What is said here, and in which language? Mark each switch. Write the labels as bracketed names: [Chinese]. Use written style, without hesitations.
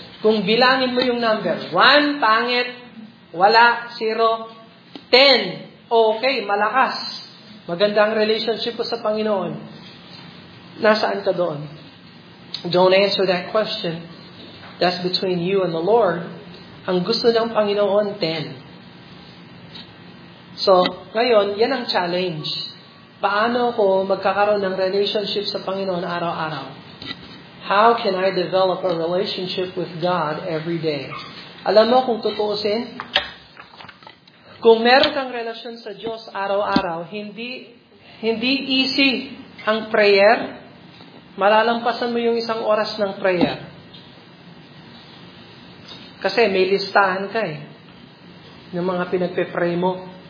[Filipino] Kung bilangin mo yung number, 1, pangit, wala, 0, 10, okay, malakas. Magandang relationship ko sa Panginoon. Nasaan ka doon? [English] Don't answer that question. That's between you and the Lord. [Filipino] Ang gusto ng Panginoon, 10. So, ngayon, yan ang challenge. Paano ko magkakaroon ng relationship sa Panginoon araw-araw? [English] How can I develop a relationship with God every day? [Filipino] Alam mo kung tutuusin, Kung meron kang relasyon sa Diyos araw-araw, hindi easy ang prayer. Malalampasan mo yung isang oras ng prayer. Kasi may listahan ka eh, ng mga pinagpe-pray mo.